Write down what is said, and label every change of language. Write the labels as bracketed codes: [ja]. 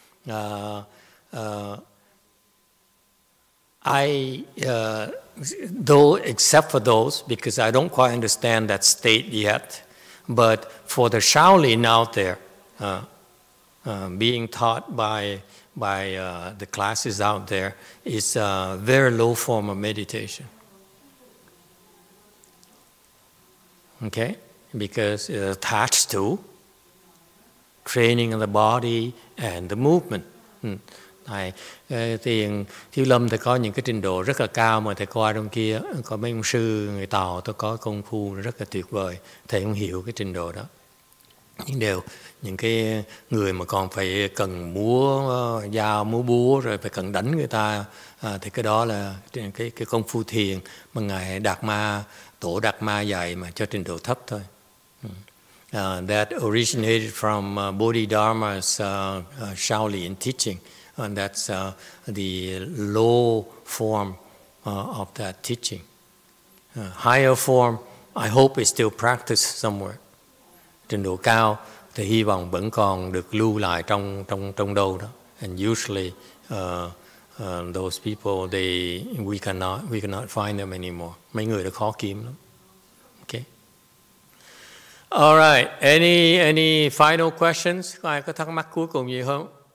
[en] Except for those, because I don't quite understand that state yet, but for the Shaolin out there, being taught by the classes out there, is a very low form of meditation. Okay? Because it's attached to training of the body and the movement. [vi] Này, thiền thiếu lâm thì có những cái trình độ rất là cao mà thầy coi trong kia, có mấy ông sư người Tàu tôi có công phu rất là tuyệt vời, thầy không hiểu cái trình độ đó. Nhưng đều những cái người mà còn phải cần múa dao, múa búa rồi phải cần đánh người ta, thì cái đó là cái công phu thiền mà ngài Đạt Ma, tổ Đạt Ma dạy mà cho trình độ thấp thôi. [en] That originated from Bodhidharma's Shaolin teaching. And that's the low form of that teaching. Higher form, I hope, is still practiced somewhere. [vi] Trình độ cao thì hy vọng vẫn còn được lưu lại trong đâu đó. [en] And usually those people, they we cannot find them anymore. [vi] Mấy người đã khó kiếm lắm. [en] Okay. All right. Any final questions? [vi] Có ai có thắc mắc cuối cùng gì không?